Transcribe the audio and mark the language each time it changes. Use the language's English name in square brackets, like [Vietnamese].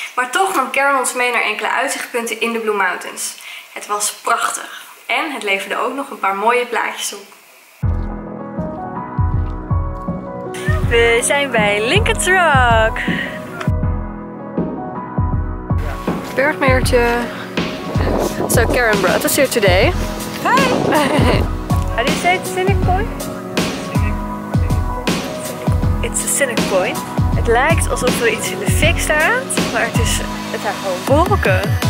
[Dutch] Maar toch nam Karen ons mee naar enkele uitzichtpunten in de Blue Mountains. Het was prachtig. En het leverde ook nog een paar mooie plaatjes op. We zijn bij Lincoln's Rock. Bergmeertje. [English] So Karen brought us here today. Hi. How do you say it, scenic point? It's a scenic point. [Dutch] Het lijkt alsof er iets in de fik staat, maar het is het haar gewoon wolken.